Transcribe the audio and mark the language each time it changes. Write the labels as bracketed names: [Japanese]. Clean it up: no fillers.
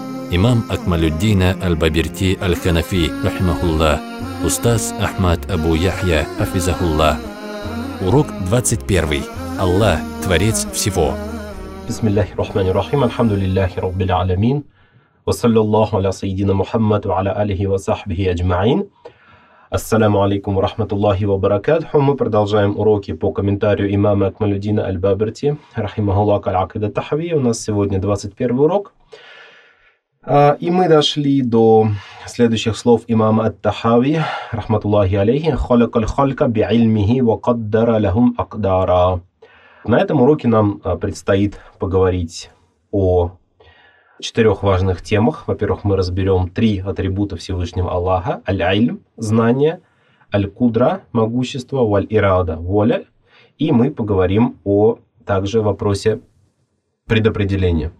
[Russian] Имам Акмалюддина аль-Бабирти аль-Ханафи рахимахулла. Устаз Ахмад Абу Яхья хафизахулла. Урок 21. Аллах творец всего. [Arabic] Бисмиллахи рахмани рахим. Алхамдулиллахи раббиль аламин. وصلى الله على سيدنا محمد وعلى آله وصحبه أجمعين. السلام عليكم ورحمة الله وبركاته. [Russian] Мы продолжаем уроки по комментарию имама Акмалюддина аль-Бабирти, рахимахуллах, аль-Акида ат-Тахавия. У нас сегодня 21 урок. И мы дошли до следующих слов имама ат-Тахави, рахматуллахи алейхи. [Arabic] خلق الخلق بعلمه وقدر لهم أقدارا. [Russian] На этом уроке нам предстоит поговорить о четырех важных темах. Во-первых, мы разберем три атрибута Всевышнего Аллаха: аль-Ильм – знание, аль-Кудра – могущество, валь-Ирада – воля. И мы поговорим о также вопросе предопределения.